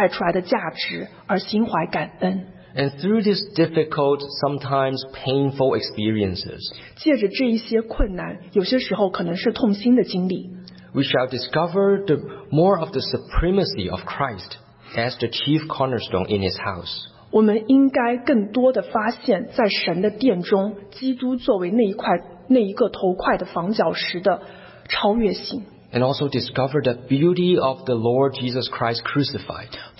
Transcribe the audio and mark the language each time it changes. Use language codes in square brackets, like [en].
[zh] 但同时我们也会对十字架在我们生命当中做的那个更深的工作所带出来的价值而心怀感恩。 [en] And through these difficult, sometimes painful experiences, [zh] 借着这一些困难，有些时候可能是痛心的经历。 [en] We shall discover the more of the supremacy of Christ as the chief cornerstone in his house. [zh] 我们应该更多地发现在神的殿中基督作为那一块头块的房角石的超越性。 [en] And also discover the beauty of the Lord Jesus Christ crucified.